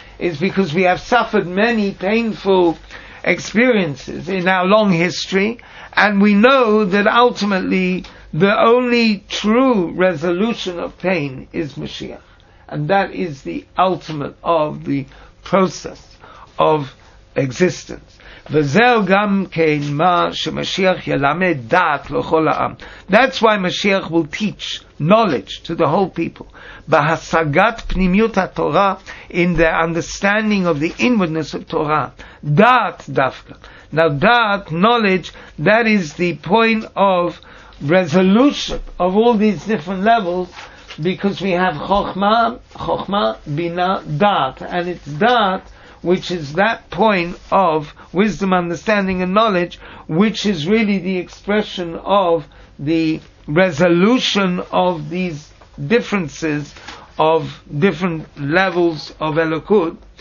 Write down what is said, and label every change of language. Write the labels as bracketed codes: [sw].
[en] It's because we have suffered many painful experiences in our long history, and we know that ultimately the only true resolution of pain is Mashiach, and that is the ultimate of the process of existence. [he] וזהו גם כן מה שמשיח ילמד דעת לכל העם. [en] That's why Mashiach will teach knowledge to the whole people. [he] בהשגת פנימיות התורה, [en] in the understanding of the inwardness of Torah. [he] דעת דווקא. [en] Now דעת, knowledge, that is the point of resolution of all these different levels, because we have Chochmah, Bina, Daat, and it's Daat which is that point of wisdom, understanding and knowledge, which is really the expression of the resolution of these differences of different levels of Elokut.